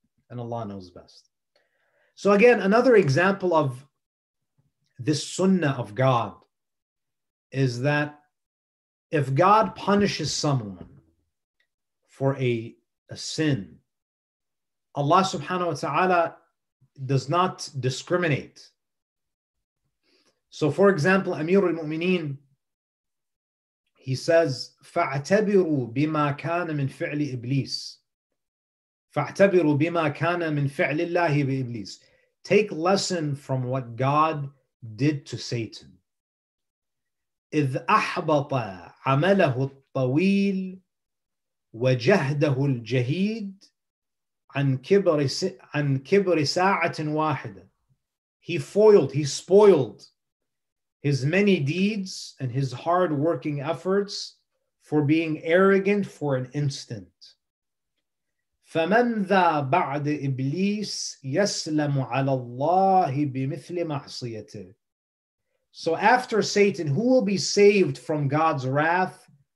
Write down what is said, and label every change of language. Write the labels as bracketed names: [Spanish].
[English] And Allah knows best. So again, another example of this sunnah of God is that if God punishes someone for a sin, Allah subhanahu wa ta'ala does not discriminate. So for example, Amir al-Mu'mineen, he says, [Arabic] فَاعْتَبِرُوا بِمَا كَانَ مِنْ فِعْلِ إِبْلِيسِ فَاعْتَبِرُوا بِمَا كَانَ مِنْ فِعْلِ اللَّهِ بِإِبْلِيسِ. [English] Take lesson from what God did to Satan. [Arabic] إِذْ أَحْبَطَ عَمَلَهُ الطَّوِيلُ وَجَهْدَهُ الْجَهِيدُ عَنْ كِبْرِ سَاعَةٍ وَاحِدًا. [English] He spoiled his many deeds and his hard working efforts for being arrogant for an instant. [Arabic] فَمَنْ ذَا بَعْدِ إِبْلِيسِ يَسْلَمُ عَلَى اللَّهِ بِمِثْلِ مَعْصِيَتِهِ. [English] So after Satan, who will be saved from God's wrath